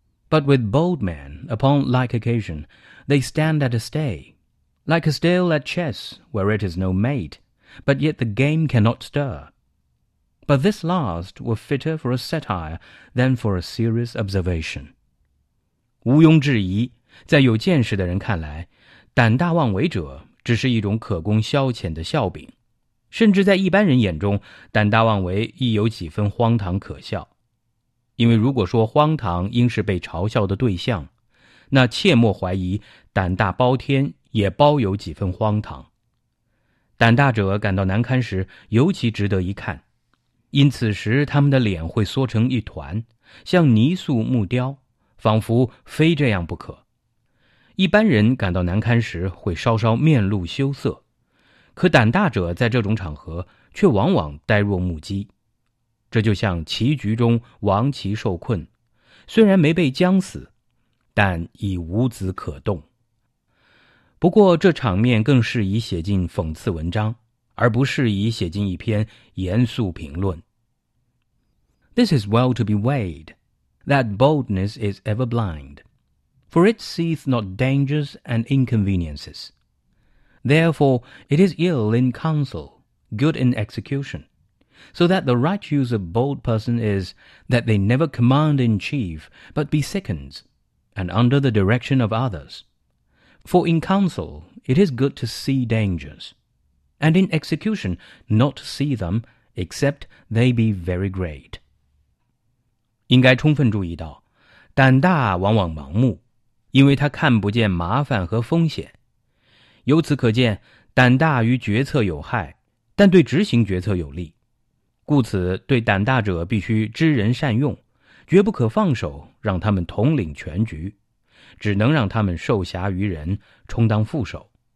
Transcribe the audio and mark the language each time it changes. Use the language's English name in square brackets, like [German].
[English] But with bold men, upon like occasion, they stand at a stay, like a still at chess, where it is no mate, but yet the game cannot stir. But this last were fitter for a satire than for a serious observation. [Chinese] 毋庸置疑，在有见识的人看来，胆大妄为者只是一种可供消遣的笑柄，甚至在一般人眼中，胆大妄为亦有几分荒唐可笑。因为如果说荒唐应是被嘲笑的对象，那切莫怀疑胆大包天也包有几分荒唐。胆大者感到难堪时尤其值得一看，因此时他们的脸会缩成一团，像泥塑木雕，仿佛非这样不可。一般人感到难堪时会稍稍面露羞涩，可胆大者在这种场合却往往呆若木鸡。这就像棋局中王棋受困，虽然没被将死，但已无子可动。不过这场面更适宜写进讽刺文章，而不适宜写进一篇严肃评论。 [English] This is well to be weighed, that boldness is ever blindFor it seeth not dangers and inconveniences. Therefore, it is ill in counsel, good in execution, so that the right use of bold person is that they never command in chief, but be seconds, and under the direction of others. For in counsel, it is good to see dangers, and in execution, not to see them, except they be very great. [Chinese] 应该充分注意到，胆大往往盲目，因为他看不见麻烦和风险。由此可见，胆大于决策有害，但对执行决策有利。故此，对胆大者必须知人善用，绝不可放手让他们统领全局，只能让他们受辖于人，充当副手。